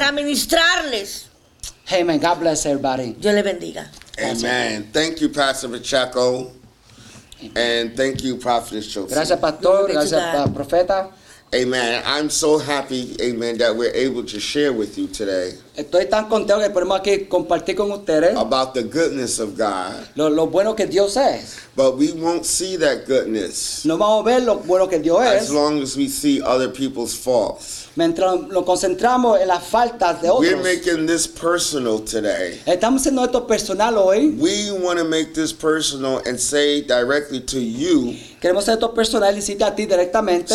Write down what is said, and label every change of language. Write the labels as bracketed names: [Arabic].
[Spanish] Para ministrarles. [English] Hey, amen. God bless everybody. [Spanish] Dios le bendiga. [English] Amen. Thank you, Pastor Pacheco. And thank you, Prophet Joseph. [Spanish] Gracias, Pastor. Gracias, Profeta. [English] Amen. I'm so happy, amen, that we're able to share with you today. [Spanish] Estoy tan contento que podemos aquí compartir con ustedes. [English] About the goodness of God. [Spanish] Lo bueno que Dios es. [English] But we won't see that goodness. [Spanish] No vamos a ver lo bueno que Dios es. [English] As long as we see other people's faults. [Spanish] Mientras nos concentramos en las faltas de otros. [English] We're making this personal today. [Spanish] Estamos haciendo esto personal hoy. [English] We want to make this personal and say directly to you. [Spanish] Queremos hacer esto personal y decirte a ti directamente.